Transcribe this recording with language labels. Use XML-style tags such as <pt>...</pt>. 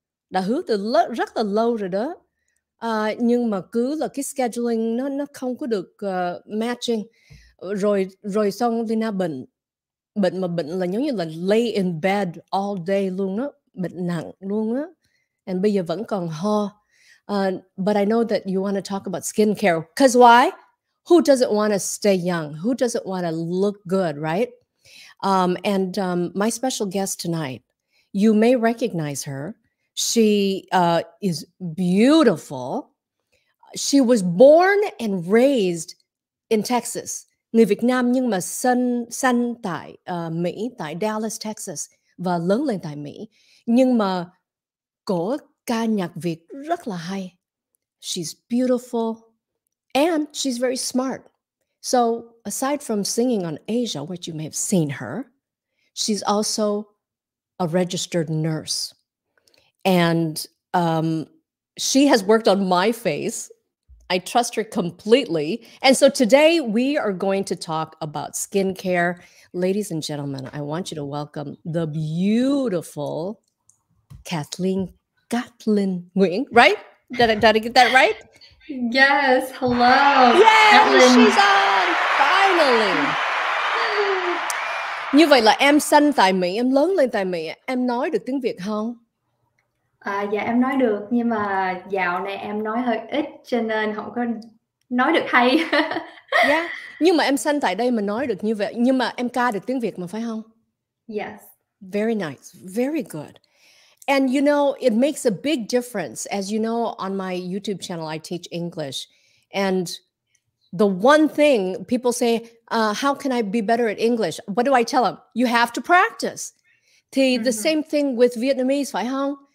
<vi>Đã hứa từ rất là lâu rồi đó. Nhưng mà cứ là cái scheduling nó không có được matching. Rồi xong Lynh bệnh. Bệnh mà bệnh là giống như là</vi> <en>lay in bed all day</en> <vi>luôn á, bệnh nặng luôn á.</vi> <en>And</en> <vi>bây giờ vẫn còn ho.</vi> <en>But I know that you want to talk about skincare. Because why? Who doesn't want to stay young? Who doesn't want to look good, right? And my special guest tonight, you may recognize her. She is beautiful. She was born and raised in Texas.</en> <vi>Người Việt Nam nhưng mà sinh tại Mỹ, tại Dallas, Texas và lớn lên tại Mỹ. Nhưng mà cổ ca nhạc Việt rất là hay.</vi> <en>She's beautiful and she's very smart. So aside from singing on Asia, which you may have seen her, she's also a registered nurse. And she has worked on my face. I trust her completely. And so today we are going to talk about skincare. Ladies and gentlemen, I want you to welcome the beautiful Cathleen Nguyen, right? Did I get that right? Yes. Hello. Yeah, Cathleen. She's on, finally.</en> <vi>Như vậy là em sinh tại Mỹ, em lớn lên tại Mỹ. Em nói được tiếng Việt không? Dạ em nói được, nhưng mà dạo này em nói hơi ít cho nên không có nói được hay.</vi> <en>Yeah,</en> <vi>nhưng mà em sinh tại đây mà nói được như vậy, nhưng mà em ca được tiếng Việt mà phải không?</vi> <en>Yes. Very nice, very good. And you know, it makes a big difference. As you know, on my YouTube channel, I teach English. And the one thing people say, how can I be better at English? What do I tell them? You have to practice.</en> <vi>Thì</vi> <en>mm-hmm. The same thing with Vietnamese,</en> <vi>phải không?</vi>